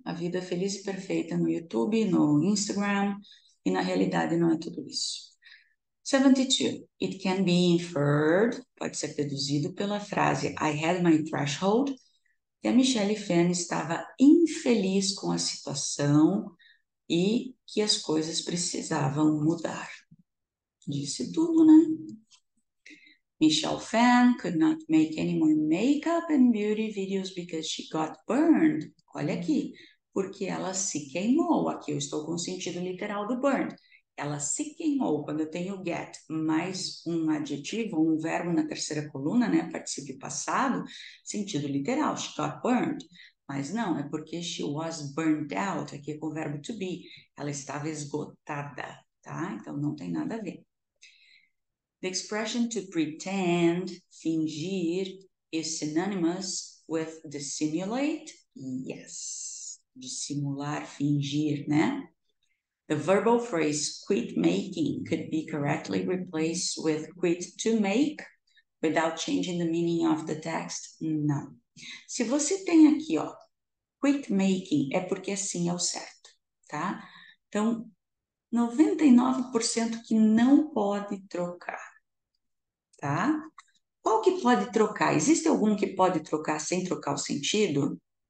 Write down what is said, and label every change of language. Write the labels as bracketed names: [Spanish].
[Portuguese] A vida feliz e perfeita no YouTube, no Instagram, e na realidade não é tudo isso. 72. [English] It can be inferred, [Portuguese] pode ser deduzido pela frase [English] I had my threshold, [Portuguese] que a Michelle Phan estava infeliz com a situação e que as coisas precisavam mudar. Disse tudo, né? [English] Michelle Phan could not make any more makeup and beauty videos because she got burned. [Portuguese] Olha aqui, porque ela se queimou. Aqui eu estou com o sentido literal do burned. Ela se queimou. Quando eu tenho get mais um adjetivo, um verbo na terceira coluna, né? Particípio passado, sentido literal, [English] she got burned. [Portuguese] Mas não, é porque [English] she was burned out. [Portuguese] Aqui é com o verbo to be. Ela estava esgotada, tá? Então não tem nada a ver. [English] The expression to pretend, [Portuguese] fingir, [English] is synonymous with dissimulate. Yes. [Portuguese] Dissimular, fingir, né? [English] The verbal phrase quit making could be correctly replaced with quit to make without changing the meaning of the text. [Portuguese] Não. Se você tem aqui, ó, quit making, é porque assim é o certo, tá? Então, 99% que não pode trocar. Tá? Qual que pode trocar? Existe algum que pode trocar sem trocar o sentido?